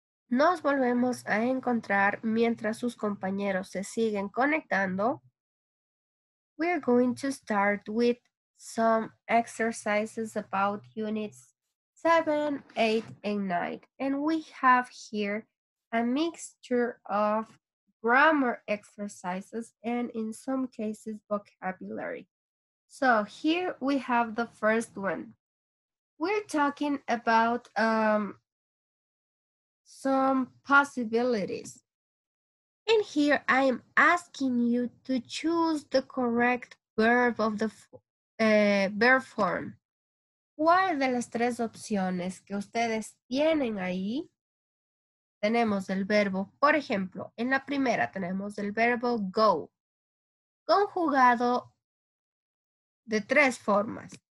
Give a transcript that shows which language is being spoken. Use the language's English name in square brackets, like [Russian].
[Spanish] Nos volvemos a encontrar mientras sus compañeros se siguen conectando. [English] We are going to start with some exercises about units 7, 8, and 9. And we have here a mixture of grammar exercises and in some cases vocabulary. So here we have the first one. We're talking about some possibilities. And here I am asking you to choose the correct verb of the verb form. [Spanish] ¿Cuál de las tres opciones que ustedes tienen ahí? Tenemos el verbo, por ejemplo, en la primera tenemos el verbo go, conjugado de tres formas.